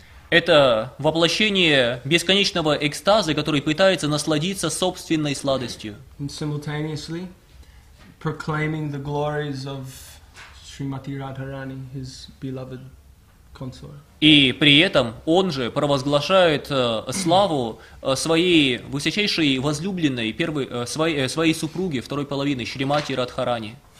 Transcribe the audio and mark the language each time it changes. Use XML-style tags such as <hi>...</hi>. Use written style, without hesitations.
<ru>Это воплощение бесконечного экстаза, который пытается насладиться собственной сладостью.</ru> <en>And simultaneously proclaiming the glories of Srimati Radharani, his beloved consort.</en> <ru>И при этом он же провозглашает славу своей высочайшей возлюбленной, своей супруги, второй половины, Шримати Радхарани.</ru>